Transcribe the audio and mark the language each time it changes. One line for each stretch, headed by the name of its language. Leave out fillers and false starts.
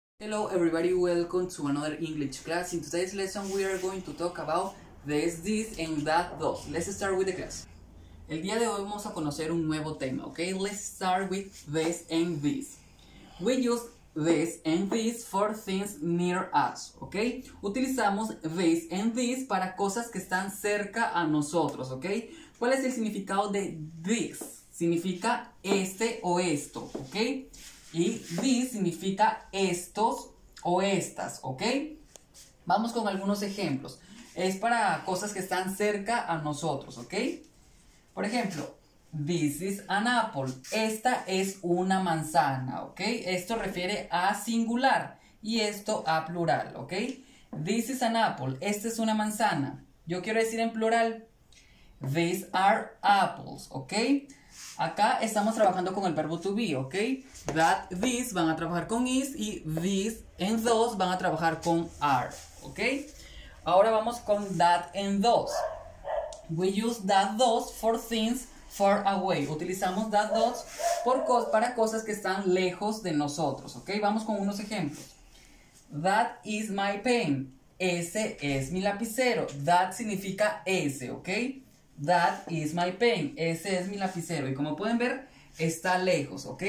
English: Hello everybody, welcome to another English class. In today's lesson we are going to talk about this, this and that, those. Let's start with the class.
Spanish: El día de hoy vamos a conocer un nuevo tema, ok?
English: Let's start with this and this. We use this and this for things near us, ok?
Spanish: Utilizamos this and this para cosas que están cerca a nosotros, ok? ¿Cuál es el significado de this? Significa este o esto, ok? Y this significa estos o estas, ¿ok? Vamos con algunos ejemplos. Es para cosas que están cerca a nosotros, ¿ok? Por ejemplo,
English: this is an apple.
Spanish: Esta es una manzana, ¿ok? Esto refiere a singular y esto a plural, ¿ok?
English: This is an apple.
Spanish: Esta es una manzana. Yo quiero decir en plural,
English: these are apples,
Spanish: ¿ok? Acá estamos trabajando con el verbo to be, ¿ok? That, this van a trabajar con is y this and those van a trabajar con are, ¿ok? Ahora vamos con that and those.
English: We use that those for things far away.
Spanish: Utilizamos that those para cosas que están lejos de nosotros, ¿ok? Vamos con unos ejemplos.
English: That is my pen.
Spanish: Ese es mi lapicero.
English: That
Spanish: significa ese, ¿ok?
English: That is my pen.
Spanish: Ese es mi lapicero. Y como pueden ver, está lejos, ¿ok?